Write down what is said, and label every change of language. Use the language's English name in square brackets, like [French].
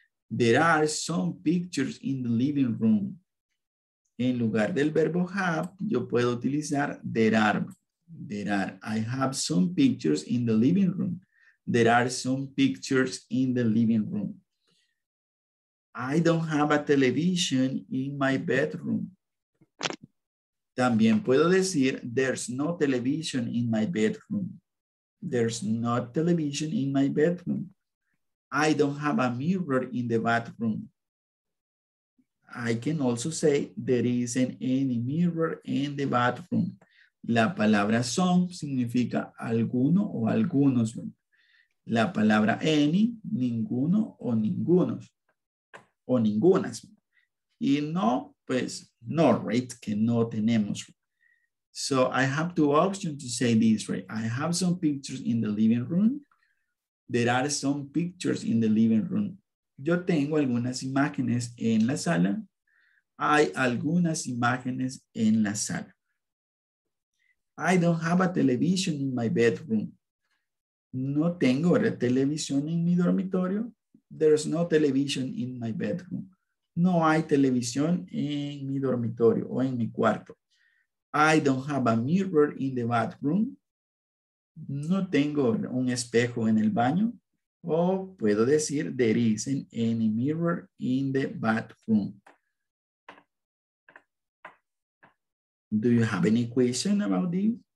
[English] There are some pictures in the living room. [Spanish] En lugar del verbo have, yo puedo utilizar [English] there are. There are. I have some pictures in the living room. There are some pictures in the living room. I don't have a television in my bedroom. [Spanish] También puedo decir, [English] there's no television in my bedroom. There's no television in my bedroom. I don't have a mirror in the bathroom. I can also say, there isn't any mirror in the bathroom. [Spanish] La palabra some significa alguno o algunos. La palabra any, ninguno o ningunos. O ninguna. Y no, pues, no, right? Que no tenemos. [English] So, I have two options to say this, right? I have some pictures in the living room. There are some pictures in the living room. [Spanish] Yo tengo algunas imágenes en la sala. Hay algunas imágenes en la sala. [English] I don't have a television in my bedroom. [Spanish] No tengo la televisión en mi dormitorio. [English] There's no television in my bedroom. [Spanish] No hay televisión en mi dormitorio o en mi cuarto. [English] I don't have a mirror in the bathroom. [Spanish] No tengo un espejo en el baño. O puedo decir, [English] there isn't any mirror in the bathroom. Do you have any question about this?